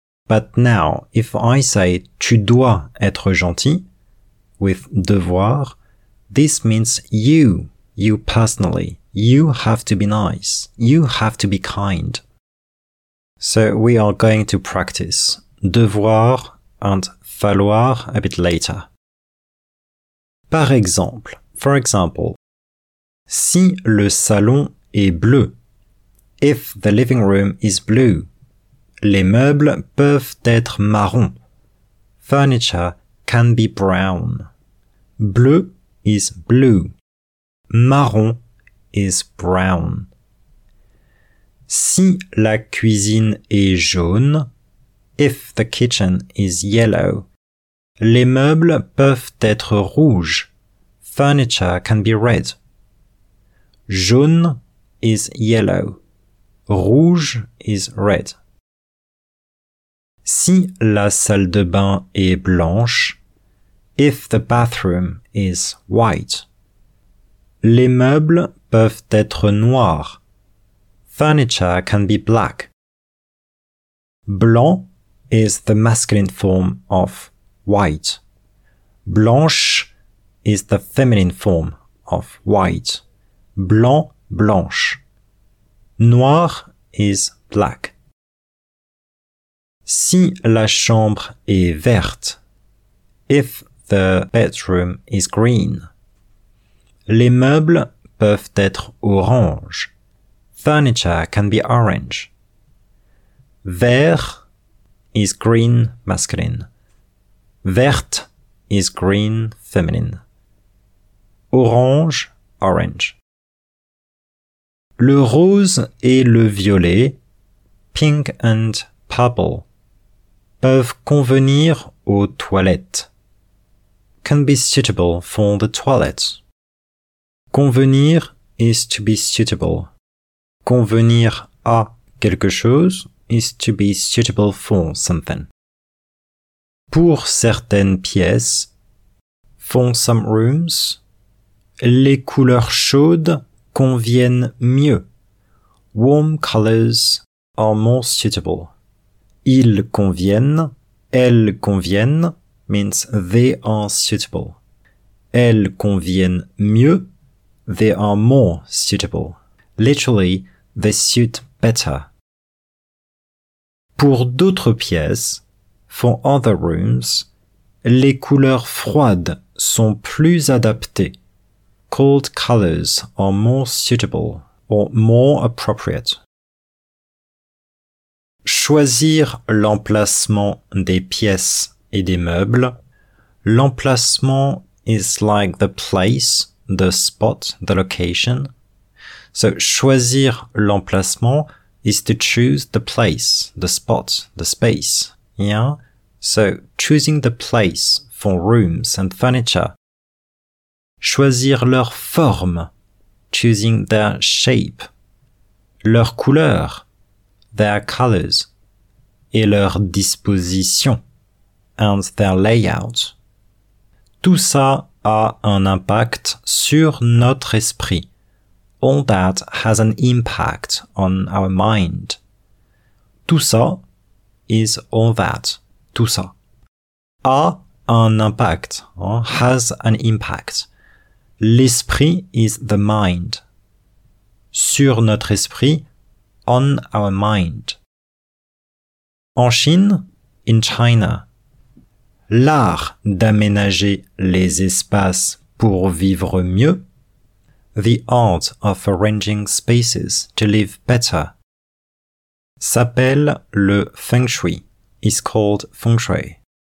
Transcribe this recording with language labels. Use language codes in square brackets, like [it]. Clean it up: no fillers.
[en] But now, if I say [fr] tu dois être gentil, [en] with devoir, this means you personally. You have to be nice. You have to be kind. So we are going to practice devoir and falloir a bit later. [fr] For example, si le salon est bleu, [en] if the living room is blue, [fr] les meubles peuvent être marron. [en] Furniture can be brown. Bleu is blue. Marron is brown. [fr] Si la cuisine est jaune, [en] if the kitchen is yellow, [fr] les meubles peuvent être rouges. [en] Furniture can be red. Jaune is yellow. Rouge is red. [fr] Si la salle de bain est blanche, [en] if the bathroom is white, [fr] les meubles peuvent être noirs. [en] Furniture can be black. Blanc is the masculine form of white. Blanche is the feminine form of white. Blanc, blanche. Noir is black. [fr] Si la chambre est verte, [en] if the bedroom is green, [fr] les meubles peuvent être orange. [en] Furniture can be orange. Vert is green masculine. Vert is green feminine. Orange, orange. [fr] Le rose et le violet, [en] pink and purple, [fr] peuvent convenir aux toilettes. [en] Can be suitable for the toilet. Convenir is to be suitable. [fr] Convenir à quelque chose [en] is to be suitable for something. [fr] Pour certaines pièces, [en] for some rooms, [fr] les couleurs chaudes conviennent mieux. [en] Warm colors are more suitable. [fr] Ils conviennent, elles conviennent [en] means they are suitable. [fr] Elles conviennent mieux, [en] they are more suitable. Literally, they suit better. [fr] Pour d'autres pièces, [en] for other rooms, [fr] les couleurs froides sont plus adaptées. [en] Cold colors are more suitable or more appropriate. [fr] Choisir l'emplacement des pièces et des meubles. [en] L'emplacement is like the place, the spot, the location. So, [fr] choisir l'emplacement [en] is to choose the place, the spot, the space. Yeah? So, choosing the place for rooms and furniture. [fr] Choisir leur forme, [en] choosing their shape, [fr] leur couleur, [en] their colors, [fr] et leur disposition, [en] and their layout. [fr] Tout ça a un impact sur notre esprit. [en] All that has an impact on our mind. [fr] Tout ça [en] is all that, tout ça. [fr] A un impact, [en] has an impact. L'esprit is the mind. [fr] Sur notre esprit, [en] on our mind. [fr] En Chine, [en] in China, [fr] l'art d'aménager les espaces pour vivre mieux, [en] the art of arranging spaces to live better, [fr] s'appelle le feng shui, [en] is called feng shui.